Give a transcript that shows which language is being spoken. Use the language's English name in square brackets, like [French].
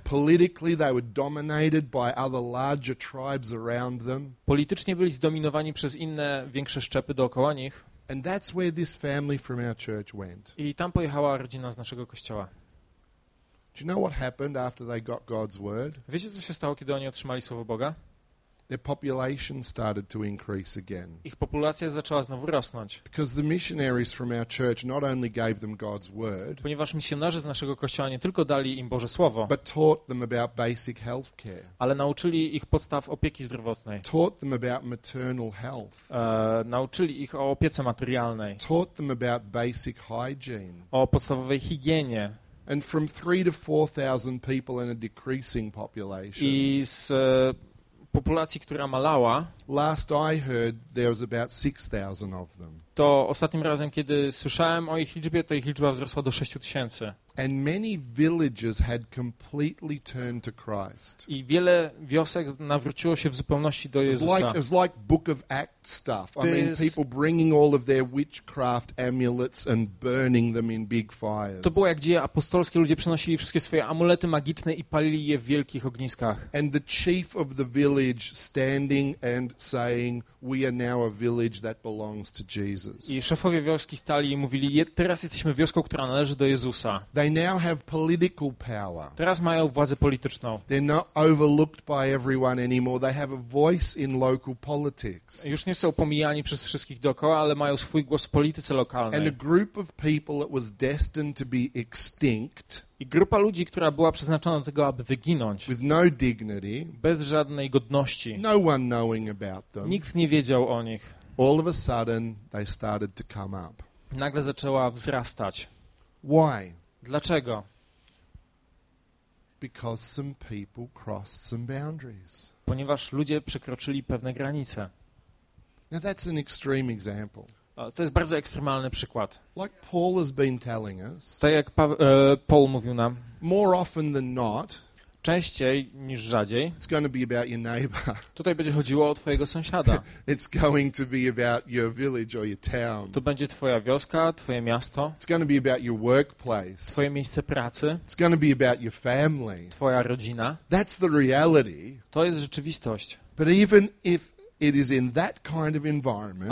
[English] Politically they were dominated by other larger tribes around them. [Polish] Politycznie byli zdominowani przez inne większe szczepy dookoła nich. [English] And that's where this family from our church went. [Polish] I tam pojechała rodzina z naszego kościoła. [English] Do you know what happened after they got God's word? [Polish] Wiecie, co się stało, kiedy oni otrzymali słowo Boga? [English] Their population started to increase again. [Polish] Ich populacja zaczęła znowu rosnąć. [English] Because the missionaries from our church not only gave them God's word. [Polish] Ponieważ misjonarze z naszego kościoła nie tylko dali im Boże słowo. [English] But taught them about basic healthcare. [Polish] Ale nauczyli ich podstaw opieki zdrowotnej. [English] Taught them about maternal health. [Polish] Nauczyli ich o opiece materialnej. [English] Taught them about basic hygiene. [Polish] O podstawowej higienie. [English] And from 3,000 to 4,000 people in a decreasing population. [Polish] I z populacji, która malała. [English] Last I heard, there was about 6,000 of them. [Polish] To ostatnim razem, kiedy słyszałem o ich liczbie, to ich liczba wzrosła do 6,000. [English] And many villages had completely turned to Christ. [Polish] I wiele wiosek nawróciło się w zupełności do Jezusa. [English] It's like Book of Acts stuff. I mean, people bringing all of their witchcraft amulets and burning them in big fires. [Polish] To było jak dzieje apostolskie, ludzie przynosili wszystkie swoje amulety magiczne i palili je w wielkich ogniskach. [English] And the chief of the village standing and saying, "We are now a village that belongs to Jesus." [Polish] I szefowie wioski stali i mówili: "Teraz jesteśmy wioską, która należy do Jezusa." [English] They now have political power. [Polish] Teraz mają władzę polityczną. [English] They're not overlooked by everyone anymore. They have a voice in local politics. [Polish] Już nie są pomijani przez wszystkich dookoła, ale mają swój głos w polityce lokalnej. [English] And a group of people that was destined to be extinct. [Polish] I grupa ludzi, która była przeznaczona do tego, aby wyginąć. [English] With no dignity. [Polish] Bez żadnej godności. [English] No one knowing about them. [Polish] Nikt nie wiedział o nich. [English] All of a sudden they started to come up. [Polish] Nagle zaczęła wzrastać. [English] Why? [Polish] Dlaczego? [English] Because some people crossed some boundaries. [Polish] Ponieważ ludzie przekroczyli pewne granice. [English] Now that's an extreme example. [Polish] To jest bardzo ekstremalny przykład. [English] Like Paul has been telling us. [Polish] Tak jak Paul mówił nam. [English] More often than not. [Polish] Częściej niż rzadziej. [English] It's going to be about your neighbor. [Polish] Tutaj będzie chodziło o twojego sąsiada. [English] It's going to be about your village or your town. [Polish] To będzie twoja wioska, twoje miasto. [English] It's going to be about your workplace. [Polish] Twoje miejsce pracy. [English] It's going to be about your family. [Polish] Twoja rodzina. [English] That's the reality. [Polish] To jest rzeczywistość. [English] But even if it is in that kind of environment,